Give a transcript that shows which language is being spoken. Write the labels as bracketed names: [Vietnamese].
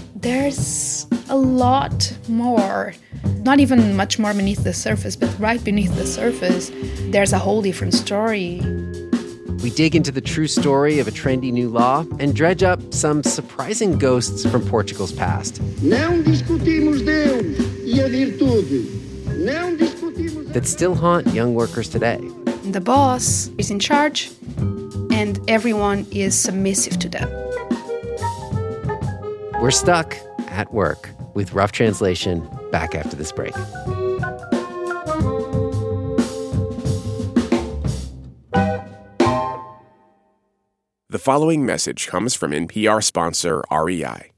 [English] There's a lot more, not even much more beneath the surface, but right beneath the surface, there's a whole different story. We dig into the true story of a trendy new law and dredge up some surprising ghosts from Portugal's past. [Portuguese] Não discutimos Deus e a virtude. Não discutimos [English] a... That still haunt young workers today. The boss is in charge and everyone is submissive to them. We're stuck at work with Rough Translation back after this break. The following message comes from NPR sponsor REI.